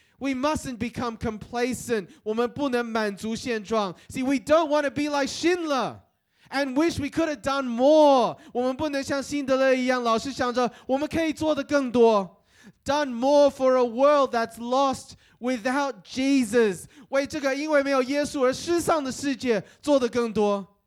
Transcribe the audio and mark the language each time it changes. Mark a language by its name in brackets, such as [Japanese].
[English] We mustn't become complacent. [Chinese] 我们不能满足现状. [English] See, we don't want to be like Schindler and wish we could have done more. [Chinese] 我们不能像辛德勒一样老是想着我们可以做得更多. [English] Done more for a world that's lost without Jesus. [Chinese] 为这个因为没有耶稣而失丧的世界做得更多.